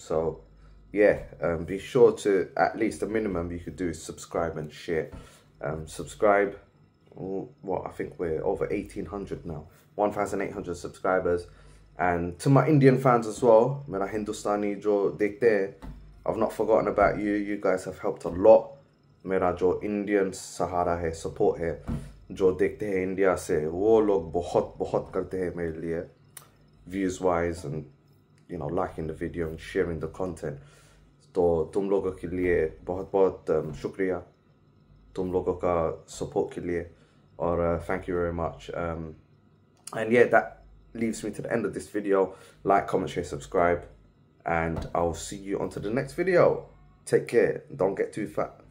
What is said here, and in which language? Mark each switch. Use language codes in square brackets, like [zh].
[en] So yeah, be sure to, at least the minimum you could do is subscribe and share. Subscribe, well, I think we're over 1800 now, 1800 subscribers. And to my Indian fans as well, [hi] mera Hindustani jo dekhte, [en] I've not forgotten about you. You guys have helped a lot. [hi] मेरा जो Indian सहारा है, support है, जो देखते है India से, वो लोग बहुत बहुत करते है मेरे लिए, [en] views wise and you know, liking the video and sharing the content. [hi] So तुम लोगो के लिए बहुत बहुत शुक्रिया, तुम लोगो का support के लिए, और [en] thank you very much. And yeah, that leaves me to the end of this video. Like, comment, share, subscribe, and I'll see you onto the next video. Take care, don't get too fat.